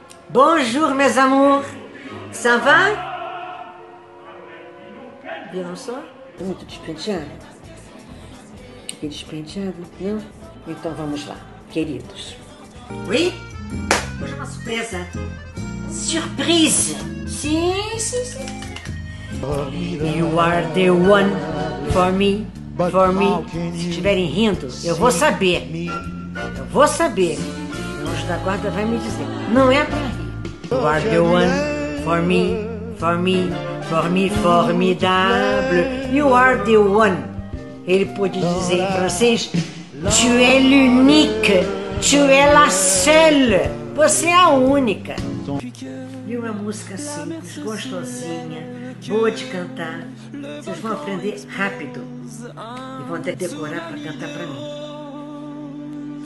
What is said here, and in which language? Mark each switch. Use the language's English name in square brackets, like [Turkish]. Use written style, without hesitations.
[French] Bonjour mes amours, ça va? [Portuguese] Viram só? Tô muito despenteada. Fiquei despenteada, não? Então vamos lá, queridos. Oui? Hoje é uma surpresa. Surprise! Sim, sim, sim. [English] You are the one for me, for me. [Portuguese] Se estiverem rindo, eu vou saber. Eu vou saber. O anjo da guarda vai me dizer. Não é pra rir. [English] You are the one for me, for me, for me, formidable. You are the one. [Portuguese] Ele pôde dizer em francês. [French] Tu es l'unique. Tu es la seule. [Portuguese] Você é a única. E uma música simples, gostosinha, boa de cantar. Vocês vão aprender rápido e vão até decorar para cantar para mim.